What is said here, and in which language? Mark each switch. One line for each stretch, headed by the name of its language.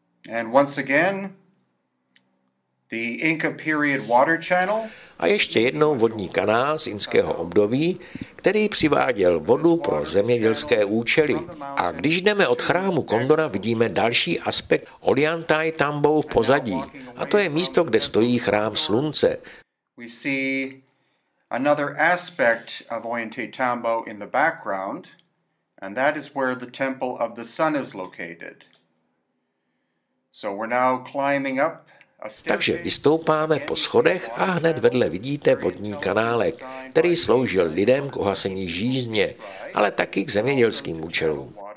English: And once again, the Inca period water channel.
Czech: A ještě jednou vodní kanál z inského období, který přiváděl vodu pro zemědělské účely. A když jdeme od chrámu Kondora, vidíme další aspekt Ollantay Tambo v pozadí. A to je místo, kde stojí chrám slunce.
English: We see another aspect of Ollantay Tambo in the background, and that is where the temple of the sun is located. So we're now climbing up.
Czech: Takže vystoupáme po schodech a hned vedle vidíte vodní kanálek, který sloužil lidem k uhasení žízně, ale taky k zemědělským účelům.